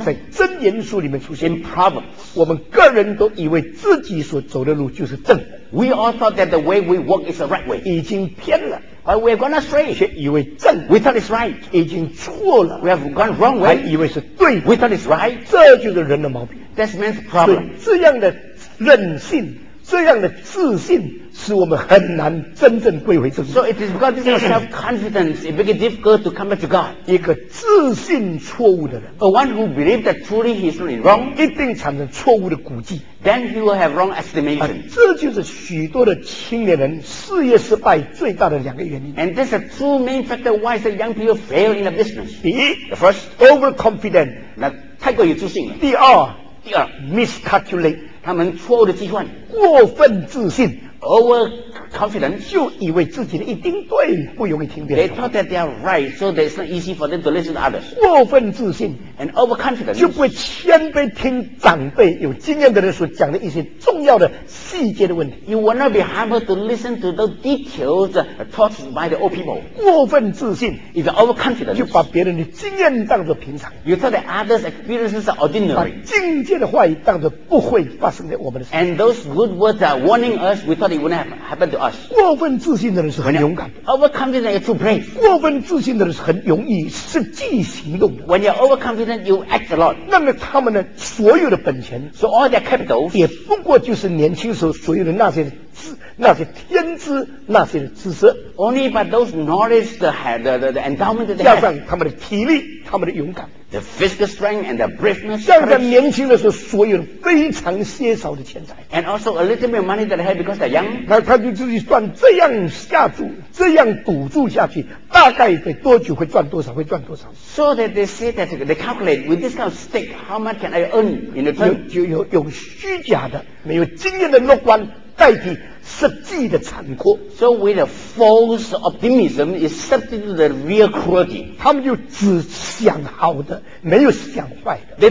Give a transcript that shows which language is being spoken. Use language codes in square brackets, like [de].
[zh] 在箴言书里面出现 [en] in Proverbs. [zh] 我们个人都以为自己所走的路就是正的 [en] We all thought that the way we walk is the right way. [zh] 已经偏了。 [en] But we have gone astray. [zh] 却以为正。 [en] We thought it's right. [zh] 已经错了。 [en] We have gone wrong way. [zh] 还以为是对。 [en] We thought it's right. [zh] 这就是人的毛病。 [en] That's man's problem. [zh] 这样的任性。这样的自信使我们很难真正归回正路。 [en] So it is because this is self-confidence, it makes it difficult to come back to God. [zh] 一个自信错误的人 [en] ，a one who believes that truly he is really wrong， [zh] 一定产生错误的估计。 [en] Then he will have wrong estimation. [zh] 这就是许多的青年人事业失败最大的两个原因。 [en] And this is two main factors why the young people fail in the business. [zh] 第一 [en] ，the first overconfident， [zh] 那太过于自信了。第二 miscalculate。他们错误的计算过分自信 [en] over confidence [zh] 就以为自己的一定对不容易听别人 [en] they thought that they are right so that it's not easy for them to listen to others [zh] 过分自信 [en] and over confidence [zh] 就不会谦卑听长辈有经验的人所讲的一些重要的细节的问题 [en] you will not be humble to listen to the details taught by the old people [zh] 过分自信 [en] if you're over confidence [zh] 就把别人的经验当作平常 [en] you thought that others experiences are ordinary [zh] 把境界的话语当作不会发生在我们的身 [en] 上 and those good words are warning us we thought it wouldn't happen to us [zh] 过分自信的人是很勇敢 [en] overconfident is too brave [zh] 过分自信的人是很容易实际行动的 [en] when you're overconfident you act a lot [zh] 那么他们的所有的本钱 [en] so all their capitals [zh] 也不过就是年轻时候所有的那些那些天资那些知识 [en] only by those knowledge the endowment that they [zh] have 加上他们的体力他们的勇敢 [en] the physical strength and the braveness [zh] 像在年轻的时候所有非常稀少的钱财 [en] and also a little bit of money that they have because they're young [zh] 那他就自己算这样下注这样赌注下去大概得多久会赚多少会赚多少 [en] so that they say that they calculate with this kind of stake how much can I earn in the term [zh] 有虚假的没有经验的乐观代替实际的残酷。 [en] So with a false optimism, it's subject to the real cruelty. [zh] 他们就只想好的，没有想坏的。